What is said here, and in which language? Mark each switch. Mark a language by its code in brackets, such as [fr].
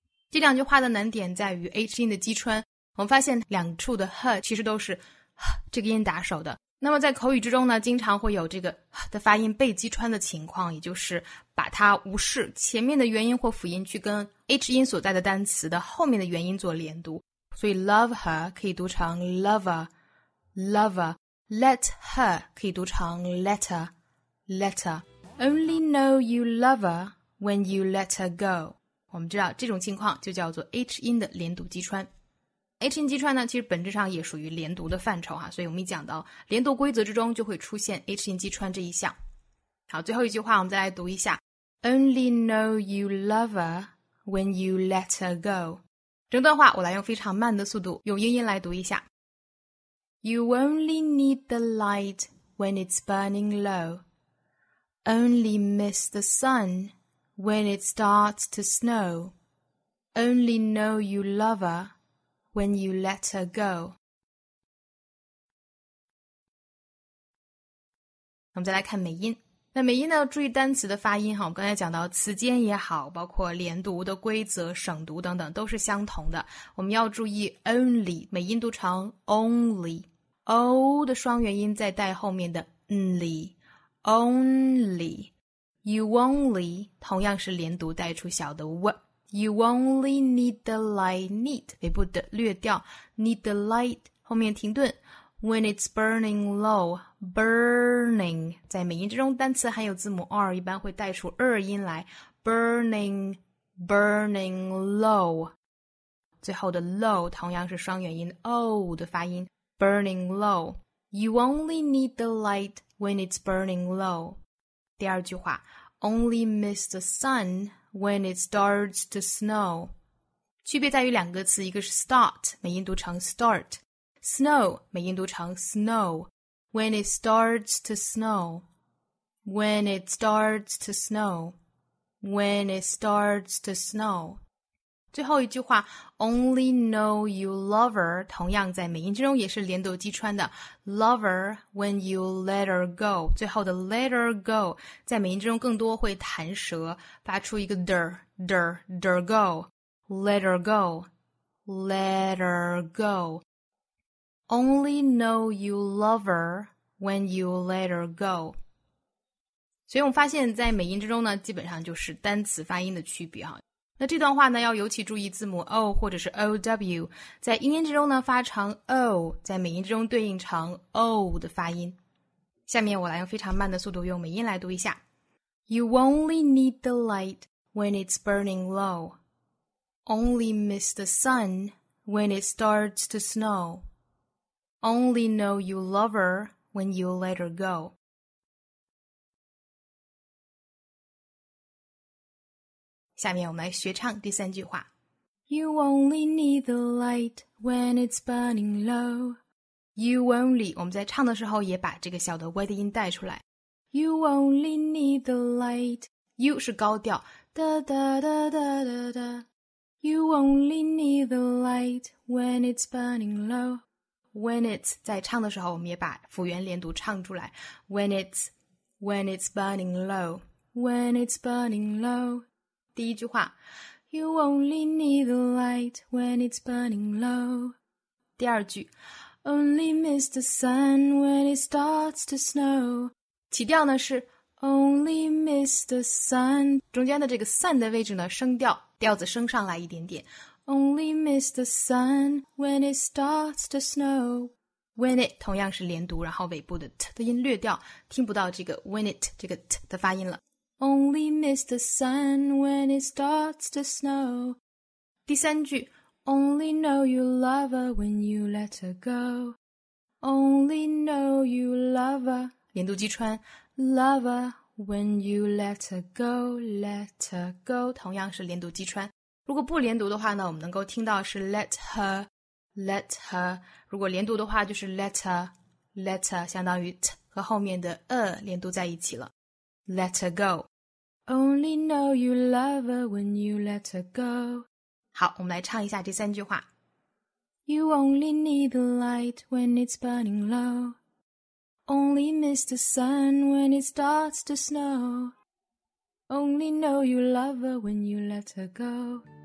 [zh] 这两句话的难点在于 h 音的击穿。我们发现两处的 her 其实都是 h 这个音打首的，那么在口语之中呢，经常会有这个 h 的发音被击穿的情况，也就是把它无视，前面的元音或辅音去跟 h 音所在的单词的后面的元音做连读，所以 love her 可以读成 lover， let her 可以读成 letter， [en] only know you love her when you let her go。 [zh] 我们知道这种情况就叫做 h 音的连读击穿。H 音击穿呢，其实本质上也属于连读的范畴啊，所以我们一讲到连读规则之中就会出现 H 音击穿这一项。好，最后一句话我们再来读一下。 [en] Only know you love her when you let her go. [zh] 整段话我来用非常慢的速度用英音来读一下。 [en] You only need the light when it's burning low. Only miss the sun when it starts to snow. Only know you love herWhen you let her go. [zh] 我们再来看美音。那美音呢，注意单词的发音哈。我们刚才讲到词间也好，包括连读的规则、省读等等都是相同的。我们要注意 only， 美音读成 only， o 的双元音再带后面的 only， only， you only 同样是连读带出小的 w。 [en] You only need the light, [zh] need 尾部的略掉， need the light 后面停顿， [en] when it's burning low， [zh] burning 在美音之中单词含有字母 r， 一般会带出 r 音来， burning low，最后的 low 同样是双元音 o 的发音 burning low。 [en] You only need the light when it's burning low. [zh] 第二句话 [en] Only miss the sun when it starts to snow. [zh] 区别在于两个词，一个是 start, 美音读成 start, snow, 美音读成 snow. [en] When it starts to snow. When it starts to snow. When it starts to snow. [zh] 最后一句话 [en] Only know you lover [zh] 同样在美音之中也是连读击穿的 [en] Lover when you let her go [zh] 最后的 let her go 在美音之中更多会弹舌发出一个 [en] der der der go Let her go [zh] Let her go Only know you lover when you let her go。所以我们发现在美音之中呢，基本上就是单词发音的区别哈。那这段话呢，要尤其注意字母 O 或者是 OW， 在英音之中呢发成 O， 在美音之中对应成 O 的发音。下面我来用非常慢的速度用美音来读一下 [en] ：You only need the light when it's burning low, only miss the sun when it starts to snow, only know you love her when you let her go. [zh] 下面我们来学唱第三句话。 [en] You only need the light when it's burning low. You only, [zh] 我们在唱的时候也把这个小的 Y 的音带出来。 [en] You only need the light. You [zh] 是高调。哒哒哒哒哒哒。 [en] You only need the light when it's burning low. [zh] When it's, 在唱的时候我们也把辅元连读唱出来。 [en] When it's burning low. When it's burning low. [zh] 第一句话 [en] You only need the light when it's burning low [zh] 第二句 [en] Only miss the sun [zh] when it starts to snow 起调呢是 [en] Only miss the sun 中间的这个 sun 的位置呢升调调子升上来一点点 Only miss the sun when it starts to snow [zh] When it 同样是连读然后尾部的 t 的音略掉听不到这个 when it 这个 t 的发音了 [en] Only miss the sun when it starts to snow. [zh] 第三句 [en] Only know you love her when you let her go. Only know you love her. [zh] 连读击穿 [en] Love her when you let her go. Let her go. [zh] 同样是连读击穿。如果不连读的话呢我们能够听到是 let her, let her. 如果连读的话就是 let her, let her. 相当于 t 和后面的 连读在一起了。 [en] Let her go. Only know you love her when you let her go. [zh] 好，我们来唱一下这三句话。 [en] You only need the light when it's burning low. Only miss the sun when it starts to snow. Only know you love her when you let her go.